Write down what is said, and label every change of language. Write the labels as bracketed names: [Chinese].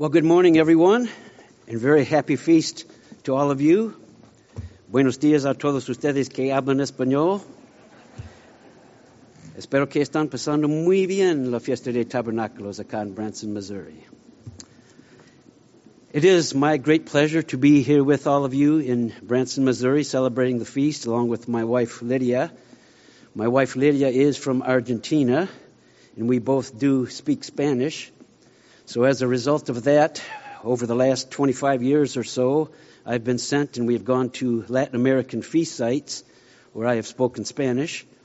[English] Well, good morning, everyone, and very happy feast to all of you. [Spanish] Buenos días a todos ustedes que hablan español. Espero que están pasando muy bien la fiesta de Tabernáculos acá en Branson, Missouri. [English] It is my great pleasure to be here with all of you in Branson, Missouri, celebrating the feast along with my wife, Lydia. My wife, Lydia, is from Argentina, and we both do speak Spanish. So as a result of that, over the last 25 years or so, I've been sent and we've gone to Latin American feast sites where I have spoken Spanish.